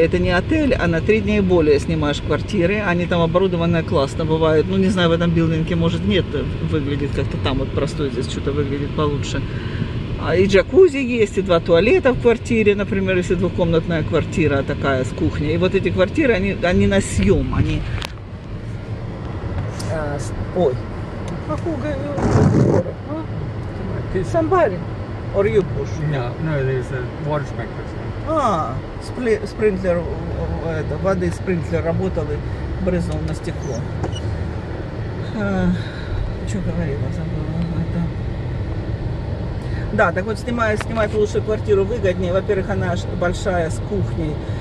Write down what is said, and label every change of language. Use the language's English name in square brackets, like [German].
[Russian] Это не отель, а на 3 дня и более снимаешь квартиры. Они там оборудованы классно, бывают. Ну, не знаю, в этом билдинге, может, нет, выглядит как-то там вот простой, здесь что-то выглядит получше. И джакузи есть, и 2 туалета в квартире, например, если двухкомнатная квартира такая с кухней. И вот эти квартиры, они на съем, они... [English] Ой, похуга, somebody, or you push? No, there's a water sprinkler. [Russian] А, спринклер, воды спринклер работал и брызнул на стекло. Что говорила, забыла. Да, так вот снимать лучшую квартиру выгоднее. Во-первых, она большая, с кухней.